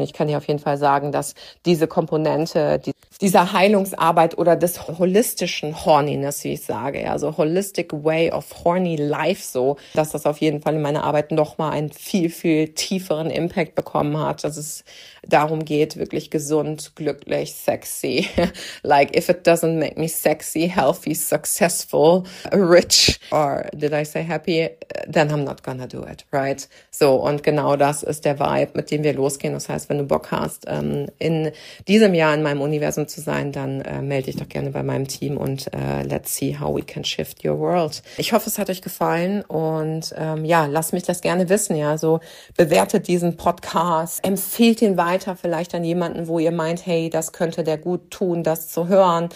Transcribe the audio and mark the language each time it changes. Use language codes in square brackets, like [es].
[de] Ich kann dir auf jeden Fall sagen, dass diese Komponente, dieser Heilungsarbeit oder des holistischen Horniness, wie ich sage, also [en] holistic way of horny life [de] so, dass das auf jeden Fall in meiner Arbeit nochmal einen viel, viel tieferen Impact bekommen hat, dass es darum geht, wirklich gesund, glücklich, sexy. [en] Like, if it doesn't make me sexy, healthy, successful, rich, or did I say happy, then I'm not gonna do it, right? [de] So, und genau das ist der Vibe, mit dem wir losgehen. Das heißt, wenn du Bock hast, in diesem Jahr in meinem Universum zu sein, dann melde dich doch gerne bei meinem Team und [en] let's see how we can shift your world. [de] Ich hoffe, es hat euch gefallen und lass mich das gerne wissen. Ja, so bewertet diesen Podcast, empfehlt ihn weiter vielleicht an jemanden, wo ihr meint, hey, das könnte der gut tun, das zu hören.